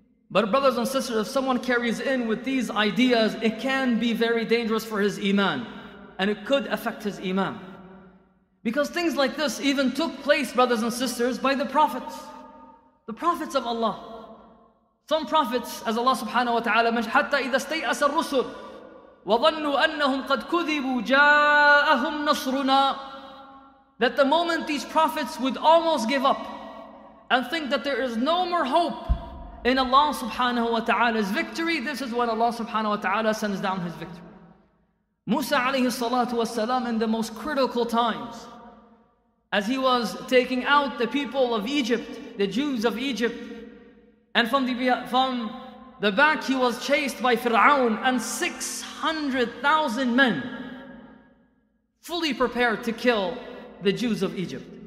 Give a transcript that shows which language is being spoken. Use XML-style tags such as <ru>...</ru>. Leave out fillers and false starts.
<en>But brothers and sisters, if someone carries in with these ideas, it can be very dangerous for his iman, and it could affect his iman. Because things like this even took place, brothers and sisters, by the prophets of Allah. Some prophets, as Allah subhanahu wa ta'ala mentioned,</en> <ar>حَتَّى إِذَا اسْتَيْأَسَ الرُّسُلُ وَظَنُّوا أَنَّهُمْ قَدْ كُذِبُوا جَاءَهُمْ نَصْرُنَا.</ar> <en>That the moment these prophets would almost give up and think that there is no more hope in Allah subhanahu wa ta'ala's victory, this is when Allah subhanahu wa ta'ala sends down his victory. Musa alayhi salatu wa salam, in the most critical times, as he was taking out the people of Egypt, the Jews of Egypt, and from the back he was chased by Fir'aun and 600,000 men fully prepared to kill the Jews of Egypt.</en>